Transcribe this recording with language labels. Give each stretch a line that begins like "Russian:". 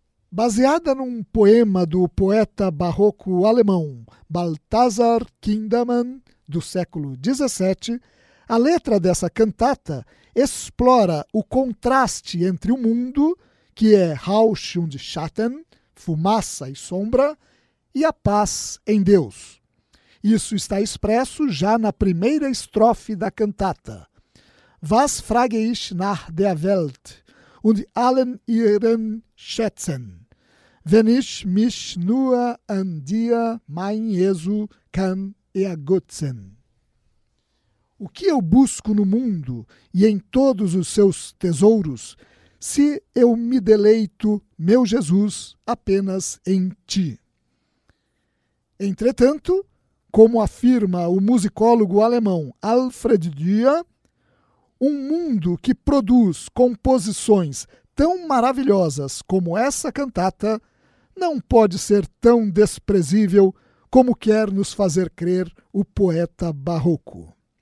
Portuguese: Baseada num poema do poeta barroco alemão Balthasar Kindermann, do século XVII, a letra dessa cantata explora o contraste entre o mundo, que é
German: Rausch und Schatten,
Portuguese: fumaça e sombra, e a paz em Deus. Isso está expresso já na primeira estrofe da cantata.
German: Was frage ich nach der Welt und allen ihren Schätzen? Wenn ich mich nur an dir, mein Jesu, kann ergötzen.
Portuguese: O que eu busco no mundo e em todos os seus tesouros, se eu me deleito, meu Jesus, apenas em ti? Entretanto, como afirma o musicólogo alemão Alfred Dia, um mundo que produz composições tão maravilhosas como essa cantata não pode ser tão desprezível como quer nos fazer crer o poeta barroco.